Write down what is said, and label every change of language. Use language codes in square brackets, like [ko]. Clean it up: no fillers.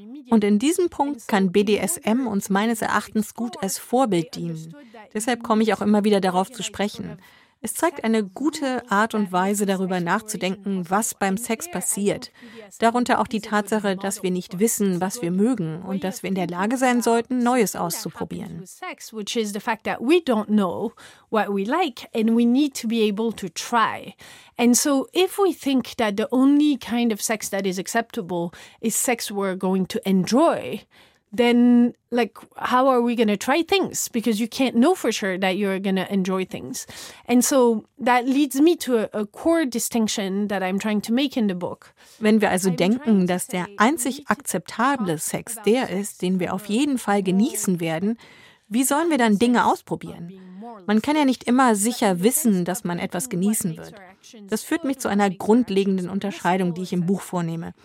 [de] Und in diesem Punkt kann BDSM uns meines Erachtens gut als Vorbild dienen. Deshalb komme ich auch immer wieder darauf zu sprechen. Es zeigt eine gute Art und Weise, darüber nachzudenken, was beim Sex passiert. Darunter auch die Tatsache, dass wir nicht wissen, was wir mögen und dass wir in der Lage sein sollten, Neues auszuprobieren. [en] Sex, which is the fact that we don't know what we like and we need to be able to try. And so if we think that the only kind of sex that is acceptable is sex we're going to enjoy, then like how are we going to try things, because you can't know for sure that you're going to enjoy things. And so that leads me to a core distinction that I'm trying to make in the book. [de] Wenn wir also denken, dass der einzig akzeptable Sex der ist, den wir auf jeden Fall genießen werden, wie sollen wir dann Dinge ausprobieren? Man kann ja nicht immer sicher wissen, dass man etwas genießen wird. Das führt mich zu einer grundlegenden Unterscheidung, die ich im Buch vornehme.